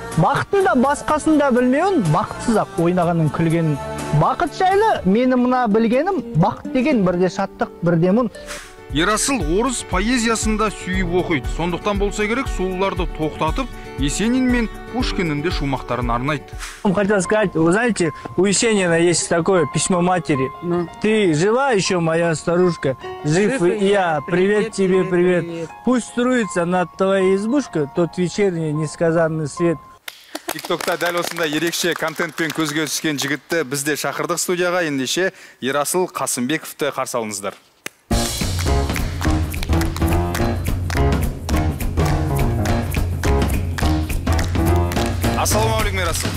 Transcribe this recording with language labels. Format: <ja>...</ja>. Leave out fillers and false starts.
<kk>Бақытты да басқасын да білмеуін, бақытсыз ақ ойнағанын күлген. Бақыт жайлы менің мына білгенім, бақыт деген бірде шаттық, бірде мұн. Ерасыл орыс поэзиясында сүйіп оқиды. Сондықтан болса керек, сұлуларды тоқтатып, Есенин мен Пушкиннің де шумақтарын арнайды.</kk> <ru>Хотел сказать, вы знаете, у Есенина есть такое письмо матери. Ты жива еще, моя старушка? Жив и я. Привет тебе, привет. Пусть струится над твоей избушкой тот вечерний несказанный свет.</ru> <kk>TikTok-та дәл осындай ерекше контентпен көзге түскен жігітті біз де шақырдық студияға. Ендеше Ерасыл Қасымбековті қарсы алыңыздар. Ассалаумағалейкум, Ерасыл.</kk>